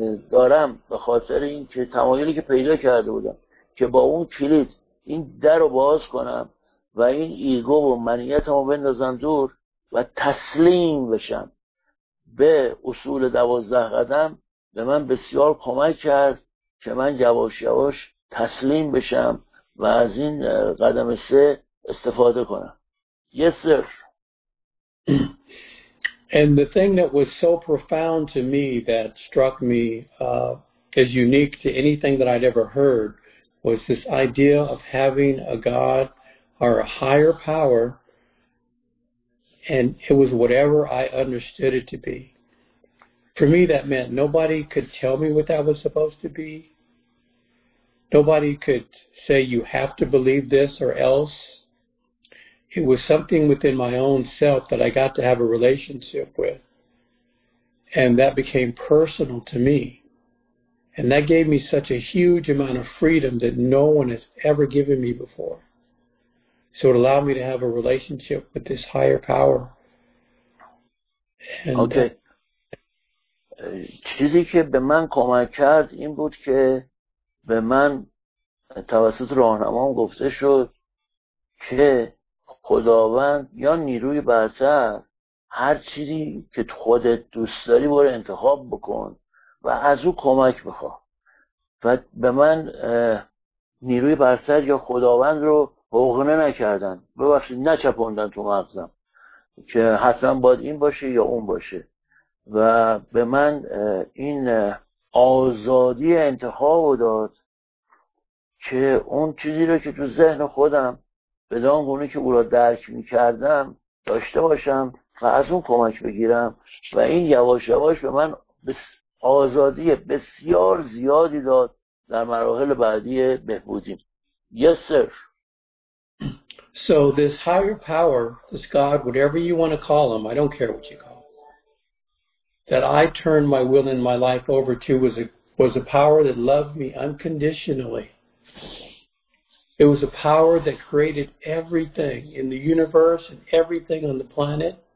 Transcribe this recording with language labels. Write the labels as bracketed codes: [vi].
[fa] دارم به خاطر این که تمایلی که پیدا کرده بودم که با اون کلید این در رو باز کنم و این ایگو و منیتم رو بندازم دور و تسلیم بشم به اصول دوازده قدم، به من بسیار کمک کرد که من یواش یواش تسلیم بشم و از این قدم سه استفاده کنم. [en] Yes, sir. And the thing that was so profound to me that struck me as unique to anything that I'd ever heard was this idea of having a God or a higher power, and it was whatever I understood it to be. For me, that meant nobody could tell me what that was supposed to be. Nobody could say, you have to believe this or else. It was something within my own self that I got to have a relationship with. And that became personal to me. And that gave me such a huge amount of freedom that no one has ever given me before. So it allowed me to have a relationship with this higher power. And okay. [fa] چیزی که به من کمک کرد این بود که به من توسط راهنمام گفته شد که خداوند یا نیروی برتر، هر چیزی که خودت دوست داری برو انتخاب بکن و از او کمک بخوا. و به من نیروی برتر یا خداوند رو حقنه نکردن، ببخشید نچپوندن تو مغزم که حتما باید این باشه یا اون باشه، و به من این آزادی انتخاب داد که اون چیزی رو که تو ذهن خودم بدان گونه که او را درک می کردم داشته باشم و از اون کمک بگیرم و این یواش یواش به من آزادی بسیار زیادی داد در مراحل بعدی بهبودی. [en] Yes, sir. So this higher power, this God, whatever you want to call him, I don't care what you call him, that I turned my will and my life over to was a power that loved me unconditionally. It was a power that created everything in the universe and everything on the planet.